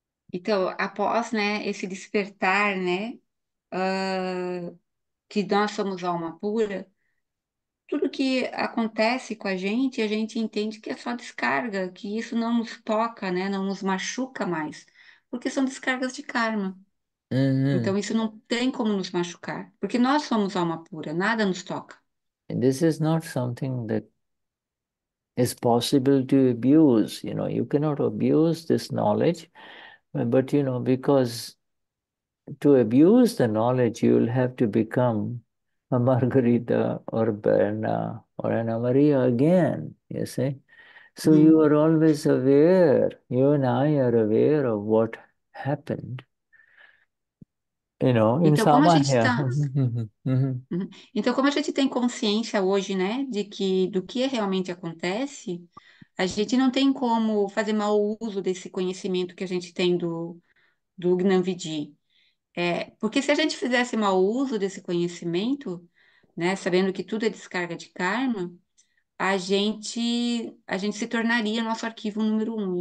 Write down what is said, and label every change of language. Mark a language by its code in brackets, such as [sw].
[pt] Então, após, né, esse despertar, né, que nós somos alma pura, tudo que acontece com a gente entende que é só descarga, que isso não nos toca, né, não nos machuca mais, porque são descargas de karma. Então, isso não tem como nos machucar, porque nós somos alma pura, nada nos toca. [en] This is not something that is possible to abuse. You know, you cannot abuse this knowledge, but you know, because to abuse the knowledge, you will have to become a Margarita or Berna or Ana Maria again, you see? So you are always aware, you and I are aware of what happened. You know, [pt] Então, como a gente [en] in [pt] está. Então, como a gente tem consciência hoje, né, de que do que realmente acontece, a gente não tem como fazer mau uso desse conhecimento que a gente tem do Gnan Vidhi. Porque se a gente fizesse mau uso desse conhecimento, né, sabendo que tudo é descarga de karma, a gente se tornaria nosso arquivo número um.